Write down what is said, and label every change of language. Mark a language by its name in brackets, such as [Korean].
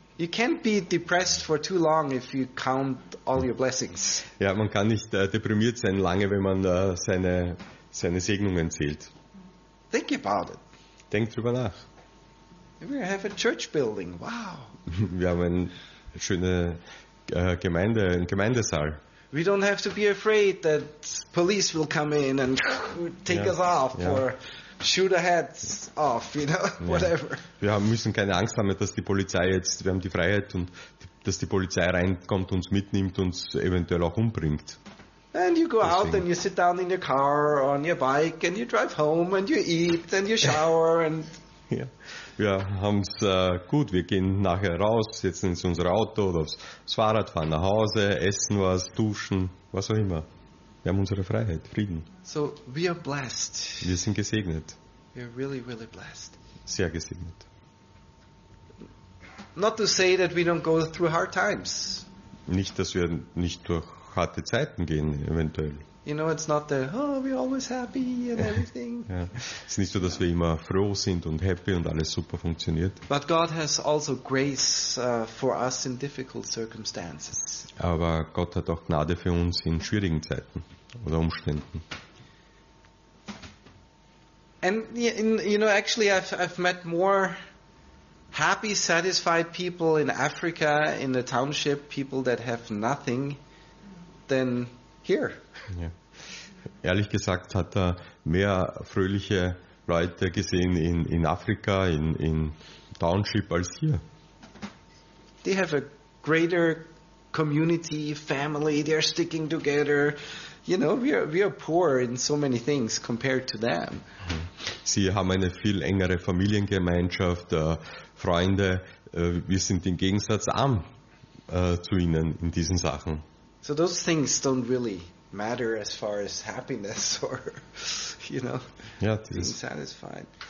[English] You can't be depressed for too long if you count all your blessings. [German] Ja, man kann nicht deprimiert sein lange, wenn man seine Segnungen zählt. [English] Think about it. [German] Denk drüber nach. [English] We have a church building. Wow. [German] Wir haben eine schöne Gemeinde, einen Gemeindesaal. [English] we don't have to be afraid that police will come in and take us off or shoot our heads off, you know, whatever. [German] Wir müssen keine Angst haben, dass die Polizei jetzt, wir haben die Freiheit und dass die Polizei reinkommt, uns mitnimmt und uns eventuell auch umbringt. [English] And you go out and you sit down in your car or on your bike and you drive home and you eat and you shower and... [German] Wir haben es gut, wir gehen nachher raus, setzen uns in unser Auto oder aufs Fahrrad, fahren nach Hause, essen was, duschen, was auch immer. Wir haben unsere Freiheit, Frieden. [English] So we are blessed. [German] Wir sind gesegnet. [English] We are really, really blessed. [German] Sehr gesegnet. [English] Not to say that we don't go through hard times. [German] Nicht, dass wir nicht durch harte Zeiten gehen, eventuell. [English] You know, it's not the, oh, we're always happy and everything. [German] Es ist nicht so, dass wir immer froh sind und happy und alles super funktioniert. [English] But God has also grace for us in difficult circumstances. [German] Aber Gott hat auch Gnade für uns in schwierigen Zeiten oder Umständen. [English] And, you know, actually I've met more happy, satisfied people in Africa, in the township, people that have nothing, than here. [German] Ehrlich gesagt hat er mehr fröhliche Leute gesehen in Afrika, in Township als hier. [English] They have a greater community, family, they are sticking together. You know, we are poor in so many things compared to them. [German] Sie haben eine viel engere Familiengemeinschaft, Freunde. Wir sind im Gegensatz arm zu ihnen in diesen Sachen. [English] So those things don't really matter as far as happiness or, you know, being satisfied.